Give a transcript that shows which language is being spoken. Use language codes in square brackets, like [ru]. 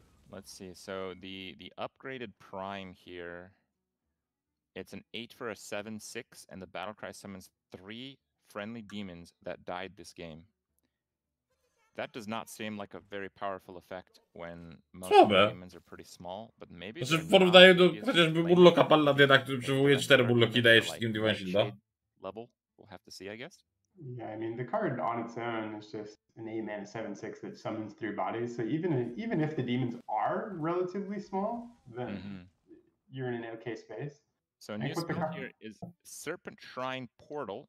[en] Let's see, so the upgraded Prime here... It's an 8 for a 7/6, and the Battlecry summons 3 friendly demons that died this game. That does not seem like a very powerful effect when most of the demons are pretty small, but maybe... [pl] Znaczy, porównaniu do chociażby Urloka Palladyna, który przywołuje 4 Urloki i daje wszystkim divine shielda. [en] Level, we'll have to see, I guess. Yeah, I mean, the card on its own is just an 8 mana 7/6 that summons 3 bodies, so even if the demons are relatively small, then mm-hmm. you're in an okay space. So a new spell here is Serpent Shrine Portal.